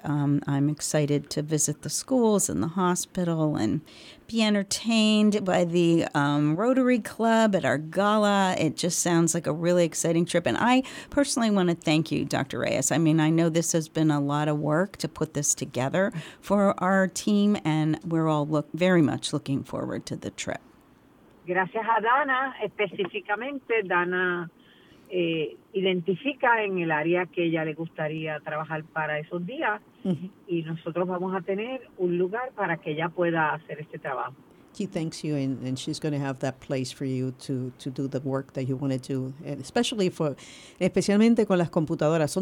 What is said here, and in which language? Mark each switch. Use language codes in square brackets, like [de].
[en] I'm excited to visit the schools and the hospital and be entertained by the Rotary Club at our gala. It just sounds like a really exciting trip. And I personally want to thank you, Dr. Reyes. I mean, I know this has been a lot of work to put this together for our team, and we're all very much looking forward to the trip. [es] Gracias a Dana. Específicamente, Dana identifica en el área que ella le gustaría trabajar para esos días, y nosotros vamos a tener un lugar para que ella pueda hacer este trabajo. [en] She thanks you, and she's going to have that place for you to do the work that you want to do, and [es] especialmente con las computadoras.